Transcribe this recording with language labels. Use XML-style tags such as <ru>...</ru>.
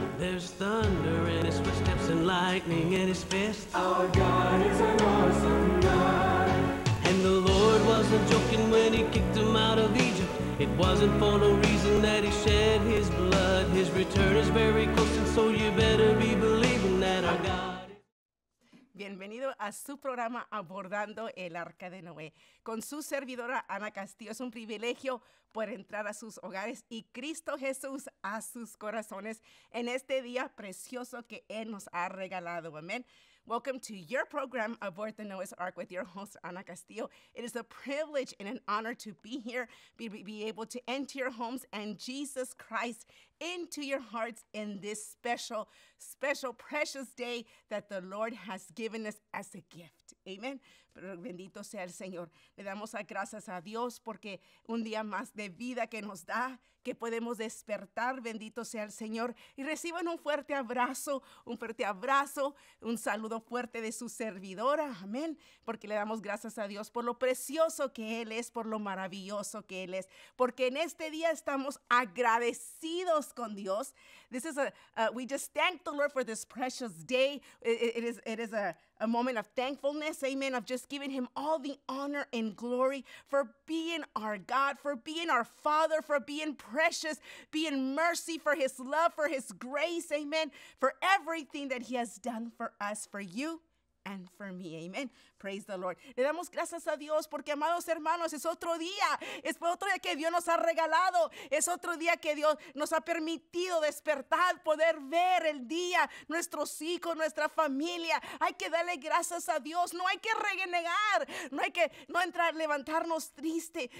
<en>There's thunder in his footsteps and lightning in his fists. Our God is an awesome God. And the Lord wasn't joking when he kicked him out of Egypt. It wasn't for no reason that he shed his blood. His return is very close, and so you better be believing that our God.</en> <es>Bienvenido a su programa Abordando el Arca de Noé. Con su servidora Ana Castillo, es un privilegio poder entrar a sus hogares y Cristo Jesús a sus corazones en este día precioso que Él nos ha regalado. Amén.</es> <en>Welcome to your program, Aboard the Noah's Ark, with your host, Ana Castillo. It is a privilege and an honor to be here, be able to enter your homes and Jesus Christ into your hearts in this special, special, precious day that the Lord has given us as a gift.</en> <es>Amen. Pero bendito sea el Señor. Le damos gracias a Dios porque un día más de vida que nos da, que podemos despertar. Bendito sea el Señor. Y reciban un fuerte abrazo, un fuerte abrazo, un saludo fuerte de su servidora. Amén. Porque le damos gracias a Dios por lo precioso que Él es, por lo maravilloso que Él es. Porque en este día estamos agradecidos con Dios.</es> <en>This is a, we just thank the Lord for this precious day. It is a moment of thankfulness, amen, of just giving him all the honor and glory for being our God, for being our Father, for being precious, being mercy, for his love, for his grace, amen, for everything that he has done for us, for you and for me, amen. Praise the Lord.</en> <es>Le damos gracias a Dios porque, amados hermanos, es otro día. Es otro día que Dios nos ha regalado. Es otro día que Dios nos ha permitido despertar, poder ver el día, nuestros hijos, nuestra familia. Hay que darle gracias a Dios. No hay que renegar. No hay que levantarnos triste.</es>